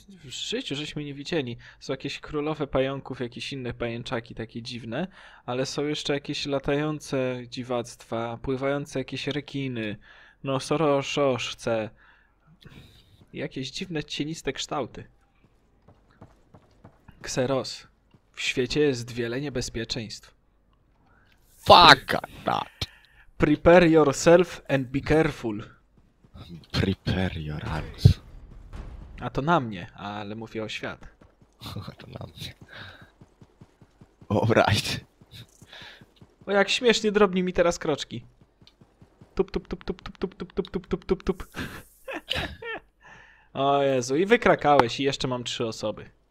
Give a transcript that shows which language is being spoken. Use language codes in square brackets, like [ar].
[pl] W życiu żeśmy nie widzieli. Są jakieś królowe pająków, jakieś inne pajęczaki takie dziwne, ale są jeszcze jakieś latające dziwactwa, pływające jakieś rekiny, nosorożce. Jakieś dziwne, cieniste kształty. Xeros. W świecie jest wiele niebezpieczeństw. [en] Fuck that. Prepare yourself and be careful. Prepare your arms. [pl] A to na mnie, ale mówię o świat. To na mnie. [en] Alright. [pl] O, jak śmiesznie drobni mi teraz kroczki. Tup, tup, tup, tup, tup, tup, tup, tup, tup, tup, tup, tup. O Jezu, i wykrakałeś, i jeszcze mam 3 osoby.